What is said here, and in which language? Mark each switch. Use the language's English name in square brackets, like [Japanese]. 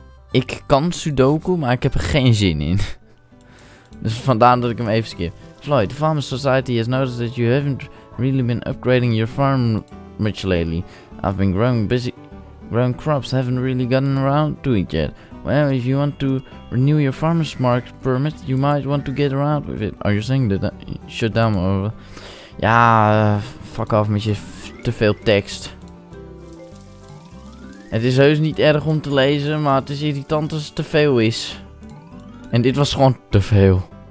[Dutch] Ik kan Sudoku, maar ik heb er geen zin in. Dus vandaar dat ik hem even skip. [English] Floyd, the Farmer Society has noticed that you haven't really been upgrading your farm much lately. I've been growing crops, haven't really gotten around to it yet. Well, if you want to renew your farmer's market permit, you might want to get around with it. Are you saying that shut down or... [Dutch] Ja, fuck off met je te veel tekst. Het is heus niet erg om te lezen, maar het is irritant als het te veel is. En dit was gewoon te veel.